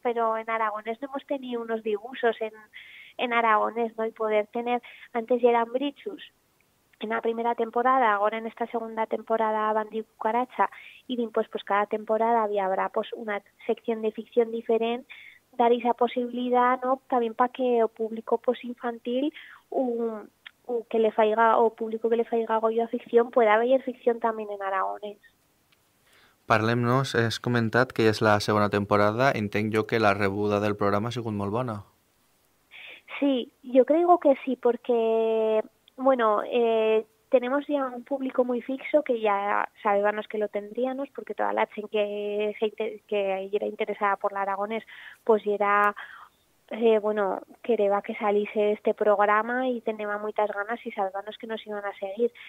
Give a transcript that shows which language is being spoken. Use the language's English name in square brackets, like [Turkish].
[Aragonese] Pero en aragonés no hemos tenido unos dibujos en aragonés, ¿no? Y poder tener, antes ya eran Britxus, en la primera temporada, ahora en esta segunda temporada Bandi Cucaracha, y pues cada temporada habrá pues una sección de ficción diferente, dar esa posibilidad, ¿no? También para que el público pues infantil o que le faiga o público que le faiga goyo a ficción pueda ver ficción también en aragonés. [Catalan] Parlem-nos, has comentat que ja és la segona temporada, entenc jo que la rebuda del programa ha sigut molt bona. [Aragonese] Sí, yo creo que sí, porque bueno, tenemos ya un público muy fixo que ya sabíamos que lo tendríamos, porque toda la chen que era interesada por la aragonés, pues era, bueno, quereba que saliese este programa y tenía muchas ganas y sabíamos que nos iban a seguir.